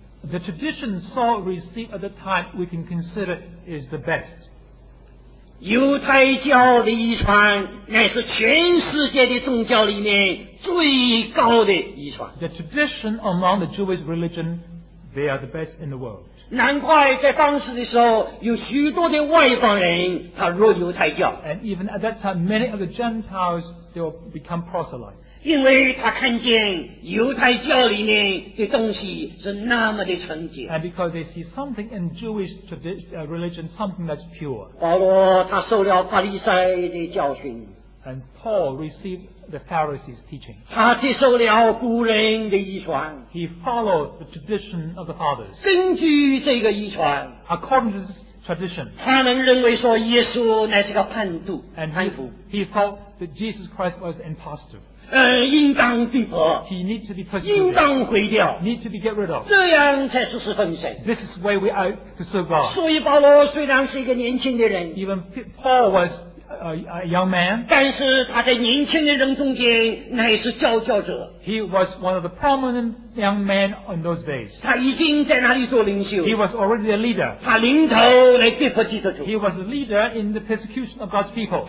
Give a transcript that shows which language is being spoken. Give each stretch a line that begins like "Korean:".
English: the tradition Saul received at the time we can consider is the best.
Chinese: 犹太教的遗传乃是全世界的宗教里面最高的遗传,
English: the tradition among the Jewish religion, they are the best in the world.
Chinese: 难怪在当时的时候有许多的外邦人踏入犹太教,
English: and even at that time many of the Gentiles, they will become proselytes,
Chinese: 因为他看见犹太教里面的东西是那么的纯洁,
English: and because they see something in Jewish religion, something that's pure.
Chinese: 保罗他受了法利赛的教训,
English: and Paul received the Pharisees' teaching.
Chinese: 他接受了古人的遗传,
English: he followed the tradition of the fathers.
Chinese: 根据这个遗传,
English: according to this tradition,
Chinese: 他能认为说耶稣乃是个叛徒,
English: and he thought that Jesus Christ was an imposter.
Chinese: 应当地破,
English: he needs to be persecuted,
Chinese: 应当毁掉,
English: need to be get rid of,
Chinese: 这样才是侍奉神,
English: this is where we are to serve God.
Chinese: 所以保罗虽然是一个年轻的人,
English: even Paul was a young man,
Chinese: 但是他在年轻的人中间乃是佼佼者,
English: he was one of the prominent young men in those days.
Chinese: 他已经在那里做领袖,
English: he was already a leader.
Chinese: 他领头来对付基督徒,
English: he was a leader in the persecution of God's people.